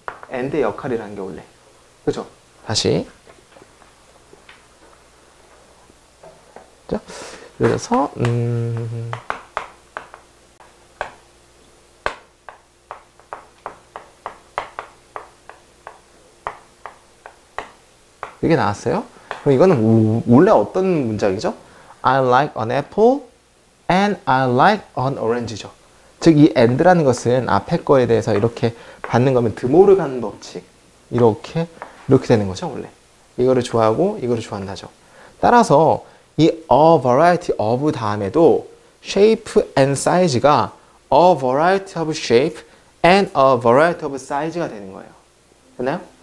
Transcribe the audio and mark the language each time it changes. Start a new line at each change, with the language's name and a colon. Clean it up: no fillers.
Korean: and의 역할이라는 게 원래, 그렇죠? 다시 자, 그래서 이게 나왔어요. 그럼 이거는 원래 어떤 문장이죠?
English: I like an apple and I like an orange죠.
Korean: 즉 이 and라는 것은 앞에 거에 대해서 이렇게 받는 거면 드 모르간 법칙, 이렇게 이렇게 되는 거죠. 원래 이거를 좋아하고 이거를 좋아한다죠. 따라서 이
English: a variety of 다음에도 shape and size가 a variety of shape and a variety of size가 되는 거예요. 됐나요?